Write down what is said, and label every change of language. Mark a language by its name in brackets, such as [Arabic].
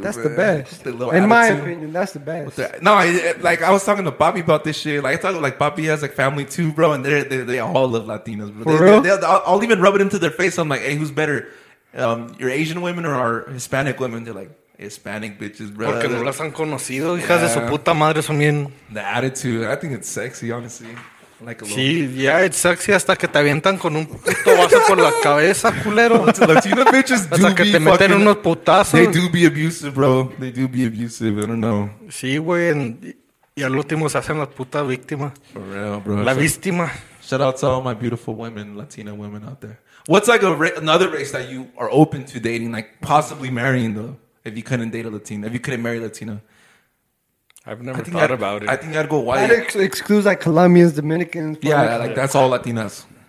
[English] That's man. The best. In my opinion, that's the best. I was talking to Bobby about this shit. Like, I talk like Bobby has like family too, bro, and they all love Latinas, bro. I'll even rub it into their face. I'm like, hey, who's better, your Asian women or our Hispanic women? They're like, Hispanic bitches, bro. [Spanish] Porque no las han conocido, hijas de su puta madre, son bien. [English] The attitude, I think it's sexy, honestly. Like a [Spanish] sí, [English] yeah, it's sexy [Spanish] hasta que te avientan con un puto vaso por la cabeza, culero. [English] Latina bitches do [Spanish] hasta que [English] be [Spanish] te [English] fucking, [Spanish] meten unos putazos. [English] They do be abusive, bro. They do be abusive. I don't know. [Spanish] Sí, güey. Y al último se hacen las putas víctimas. [English] For real, bro. [Spanish] La víctima. [English] Shout out to all my beautiful women, Latina women out there. What's like another race that you are open to dating, like possibly marrying, though, if you couldn't date a Latina, if you couldn't marry Latina? I've never thought about it. I think I'd go white. That excludes like Colombians, Dominicans. Yeah, like that's all Latinas.